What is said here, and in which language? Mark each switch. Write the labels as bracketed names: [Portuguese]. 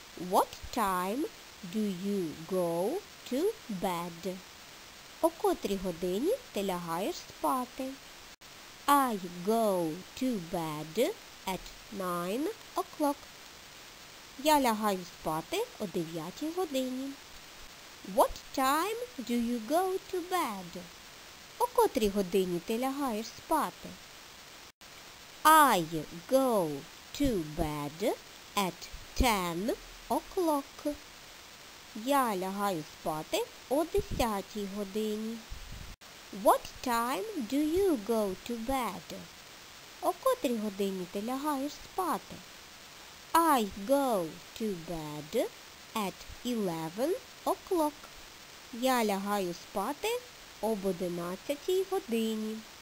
[English] What time do you go to bed? [Ukrainian] О котрій годині ти лягаєш спати? [English] I go to bed at 9 o'clock. [Ukrainian] Я лягаю спати о 9 годині. [English] What time do you go to bed? [Ukrainian] О котрій годині ти лягаєш спати? [English] I go to bed at 10 o'clock. [Ukrainian] Я лягаю спати о 10 годині. [English] What time do you go to bed? [Ukrainian] О котрій годині ти лягаєш спати? [English] I go to bed at 11 o'clock. [Ukrainian] Я лягаю спати об 11 годині.